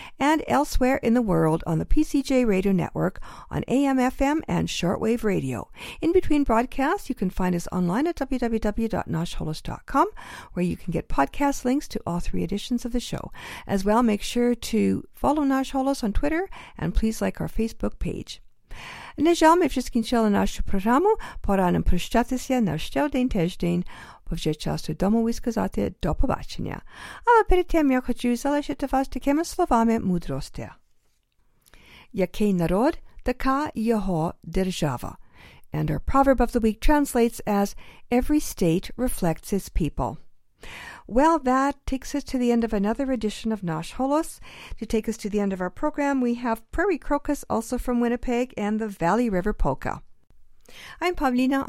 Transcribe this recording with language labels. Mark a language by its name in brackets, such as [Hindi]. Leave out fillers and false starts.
[English] And elsewhere in the world on the PCJ Radio Network on AM, FM and Shortwave Radio. In between broadcasts, you can find us online at www.noshholos.com, where you can get podcast links to all three editions of the show. As well, make sure to follow Nash Holos on Twitter and please like our Facebook page. [Ukrainian] На жаль, ми вже скінчили нашу програму. Пора нам прощатися на ще один тиждень, бо вже час додому і сказати до побачення. Але перед тим я хочу залишити вас такими словами мудрості. Який народ, така його держава. [English] And our proverb of the week translates as every state reflects its people. Well, that takes us to the end of another edition of Nash Holos. To take us to the end of our program, we have Prairie Crocus, also from Winnipeg, and the Valley River Polka. I'm Pavlina.